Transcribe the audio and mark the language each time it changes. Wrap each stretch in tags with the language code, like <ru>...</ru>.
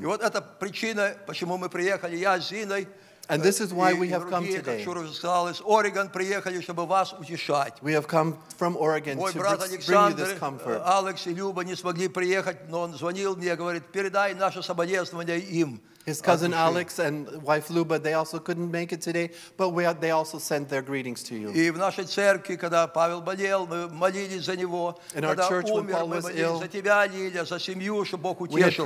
<ru>И вот это причина, почему мы приехали, я с Зиной.</ru> <en>And this is why we have come today. We have come from Oregon to bring you this comfort.</en> <ru>Alex and Luba не смогли приехать, но он звонил мне, говорит, передай наше соболезнование им.</ru> <en>His cousin Alex and wife Luba, they also couldn't make it today, but they also sent their greetings to you.</en> <ru>И в нашей церкви, когда Павел болел, мы молились за него.</ru> <en>In our church, when Paul was ill,</en> <ru>за тебя, Лиля, за семью, чтобы Бог утешил</ru>